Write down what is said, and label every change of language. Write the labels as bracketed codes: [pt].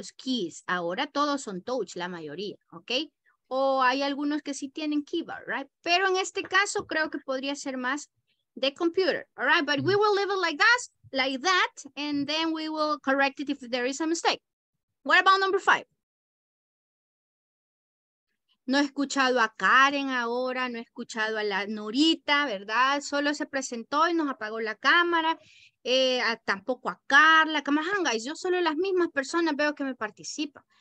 [es] Los keys, ahora todos son touch, la mayoría, ¿ok? O hay algunos que sí tienen keyboard, right? Pero en este caso creo que podría ser más de computer, all right? [en] But we will leave it like that, and then we will correct it if there is a mistake. What about number 5? [es] No he escuchado a Karen ahora, no he escuchado a la Norita, ¿verdad? Solo se presentó y nos apagó la cámara. Tampoco a Carla. [en] Come on, guys. [es] Yo solo las mismas personas veo que me participan.